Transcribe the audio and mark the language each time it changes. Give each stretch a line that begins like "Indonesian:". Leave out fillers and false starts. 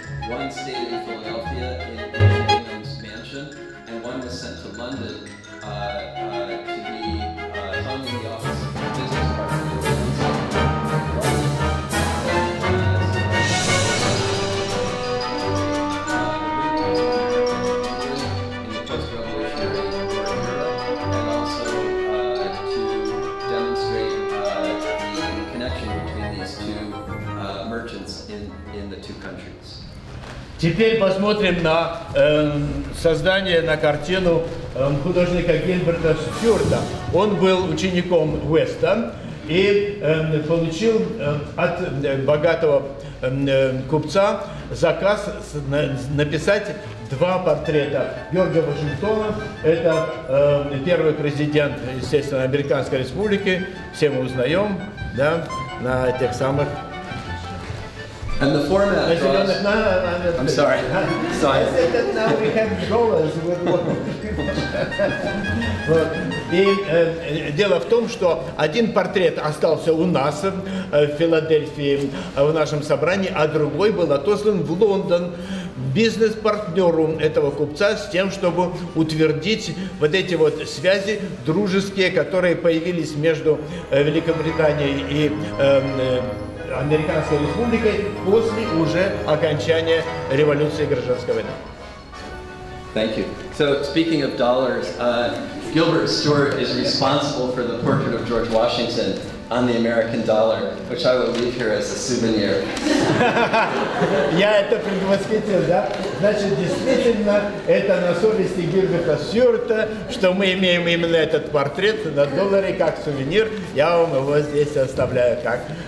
English: One stayed in Philadelphia in William Bingham's mansion, and one was sent to London to be hung in the office of the business department. Connection. between these two merchants in the two countries.
Russian: Теперь посмотрим на создание, на картину художника Гилберта Стюарта. Он был учеником Уэста и получил от богатого купца заказ написать два портрета Джорджа Вашингтона. Это первый президент, естественно, Американской Республики. Все мы узнаем, да, на этих самых...
English: And the format draws... I'm sorry. I said that now we have drawers with what...
Russian: И дело в том, что один портрет остался у нас в Филадельфии, в нашем собрании, а другой был отослан в Лондон бизнес-партнеру этого купца с тем, чтобы утвердить вот эти вот связи дружеские, которые появились между Великобританией и... Американской Республикой после уже окончания революции гражданской войны.
English: Thank you. So, speaking of dollars, Gilbert Stuart is responsible for the portrait of George Washington on the American dollar, which I will leave here as a souvenir.
Russian: Я это предвосхитил, да? Значит, действительно, это на совести Гилберта Стюарта, что мы имеем именно этот портрет на долларе как сувенир. Я вам его здесь оставляю как...